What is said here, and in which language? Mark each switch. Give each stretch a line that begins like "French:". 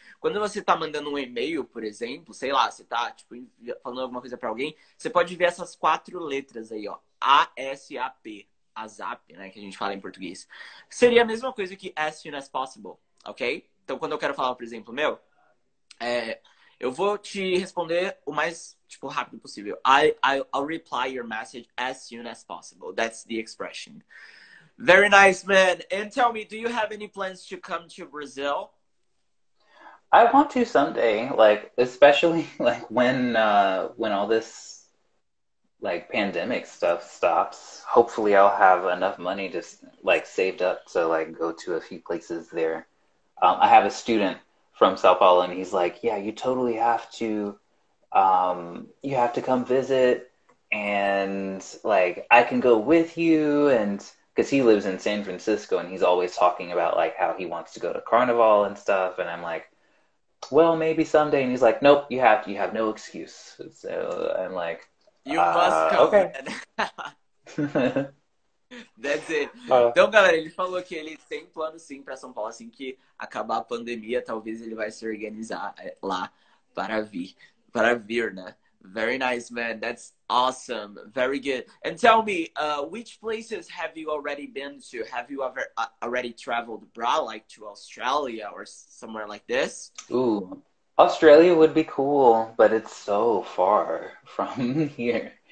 Portuguese: Quando você tá mandando um e-mail, por exemplo, sei lá, você tá, tipo, falando alguma coisa pra alguém, você pode ver essas quatro letras aí, ó. ASAP. ASAP, né? Que a gente fala em português. Seria a mesma coisa que
English: as soon as possible,
Portuguese: ok? Então, quando eu quero falar, por exemplo, meu, eu vou te responder o mais, tipo, rápido possível.
English: I'll reply your message as soon as possible. That's the expression. Very nice, man. And tell me, do you have any plans to come to Brazil? I want to someday, like, especially, like, when all this, like, pandemic stuff stops. Hopefully I'll have enough money just, like, saved up to, like, go to a few places there. I have a student from Sao Paulo, and he's like, yeah, you totally have to, you have to come visit, and, like, I can go with you, and, because he lives in San Francisco, and he's always talking about, like, how he wants to go to Carnival and stuff, and I'm like, well, maybe someday, and he's like, nope, you have no excuse, so I'm like, you must come, okay. That's it.
Portuguese: Então, galera, ele falou que ele tem plano, sim, pra São Paulo, assim que acabar a pandemia, talvez ele vai se organizar lá para vir, né?
English: Very nice, man. That's awesome. Very good. And tell me, which places have you already been to? Have you ever already traveled abroad, like to Australia or somewhere like this? Ooh, Australia would be cool, but it's so far from here.